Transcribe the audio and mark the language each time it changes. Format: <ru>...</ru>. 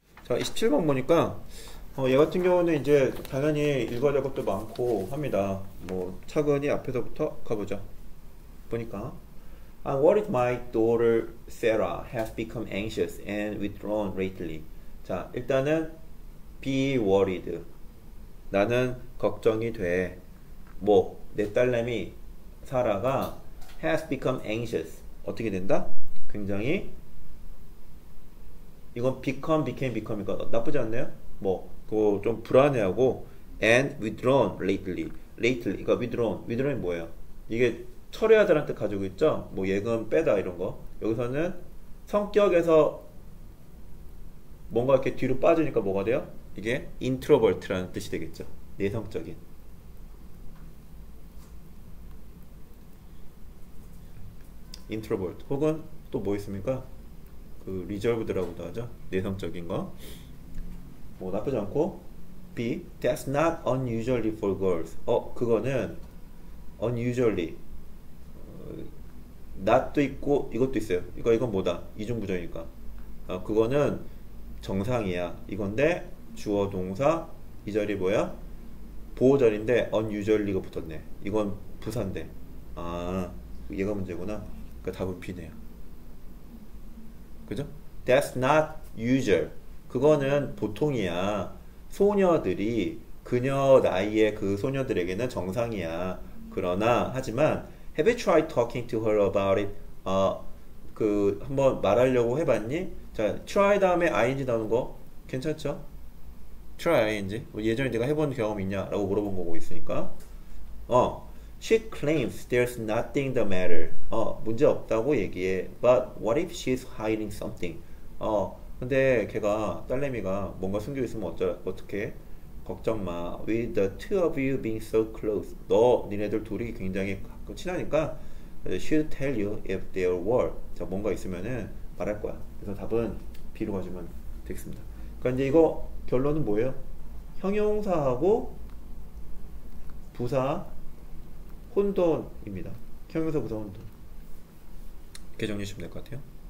<ko>자, 27번 보니까, 얘 같은 경우는 이제 당연히 읽어야 될 것도 많고 합니다. 뭐, 차근히 앞에서부터 가보죠. 보니까,</ko> <en>And what if my daughter Sarah has become anxious and withdrawn lately?</en> <ko>자, 일단은,</ko> <en>be worried.</en> <ko>나는 걱정이 돼. 뭐, 내 딸내미 사라가</ko> <en>has become anxious.</en> <ko>어떻게 된다? 굉장히, 이건 became이니까 나쁘지 않네요? 뭐, 그거 좀 불안해하고,</ko> <en>and withdrawn lately. Lately.</en> <ko>그러니까 withdrawn. Withdrawn이 뭐예요? 이게 철회하자라는 뜻 가지고 있죠? 뭐 예금 빼다 이런 거. 여기서는 성격에서 뭔가 이렇게 뒤로 빠지니까 뭐가 돼요? 이게 introvert라는 뜻이 되겠죠. 내성적인. 인트로버트 혹은 또뭐 있습니까? 그 리저브드라고도 하죠. 내성적인 거. 뭐 나쁘지 않고. B.</ko> <en>That's not unusually for girls.</en> <ko>그거는 unusually. not도 있고 이것도 있어요. 이거 이건 뭐다? 이중부정이니까. 그거는 정상이야. 이건데 주어 동사 이 자리 뭐야? 보호자리인데 unusually가 붙었네. 이건 부사인데. 아, 얘가 문제구나. 그 답은 B네요. 그죠?</ko> <en>That's not usual.</en> <ko>그거는 보통이야. 소녀들이 그녀 나이에 그 소녀들에게는 정상이야. 그러나 하지만</ko> <en>Have you tried talking to her about it?</en> <ko>그 한번 말하려고 해봤니? 자, try 다음에 ing 나오는 거 괜찮죠?</ko> <en>Try ing.</en> <ko>뭐 예전에 네가 해본 경험 있냐라고 물어본 거고 있으니까.</ko> <en>She claims there's nothing the matter.</en> <ko>문제 없다고 얘기해.</ko> <en>But what if she's hiding something?</en> <ko>근데 걔가 딸내미가 뭔가 숨겨 있으면 어떡해? 걱정 마.</ko> <en>With the two of you being so close,</en> <ko>너 니네들 둘이 굉장히 가끔 친하니까</ko> <en>she'll tell you if there were.</en> <ko>자, 뭔가 있으면은 말할 거야. 그래서 답은 B로 가시면 되겠습니다. 그러니까 이제 이거 결론은 뭐예요? 형용사하고 부사 혼돈입니다. 형용사 부사 혼돈. 이렇게 정리하시면 될것 같아요.</ko>